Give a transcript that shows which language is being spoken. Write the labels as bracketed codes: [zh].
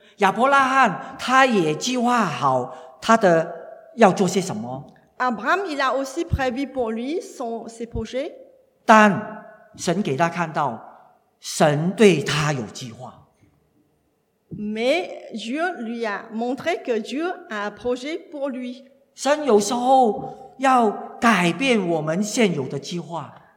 [zh] 亚伯拉罕他也计划好他的要做些什么。 [fr] Abraham, il a aussi prévu pour lui ses projets. [zh] 但神给他看到，神对他有计划。 [fr] Mais Dieu lui a montré que Dieu a un projet pour lui. [zh] 神有时候要改变我们现有的计划。